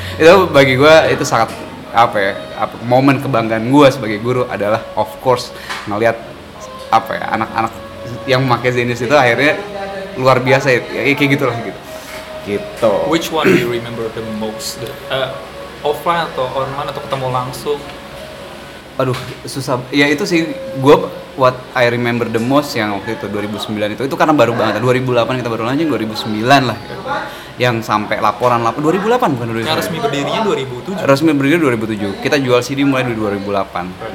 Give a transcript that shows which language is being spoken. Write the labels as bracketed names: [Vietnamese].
[Indonesian] Itu bagi gue itu sangat apa ya? Apa, momen kebanggaan gue sebagai guru adalah [English] of course [Indonesian] ngelihat apa ya, anak-anak yang memakai Zenius itu akhirnya luar biasa ya, kayak gitulah gitu. Gitu. [English] Which one do you remember the most? [Indonesian] Offline atau online atau ketemu langsung? Aduh susah ya, itu sih gue [English] what I remember the most [Indonesian] yang waktu itu 2009 itu karena baru banget 2008 kita baru lanjut, 2009 lah yang sampai laporan 2008 bukan 2009. Yang resmi berdirinya 2007. Resmi berdirinya 2007, kita jual CD mulai di 2008.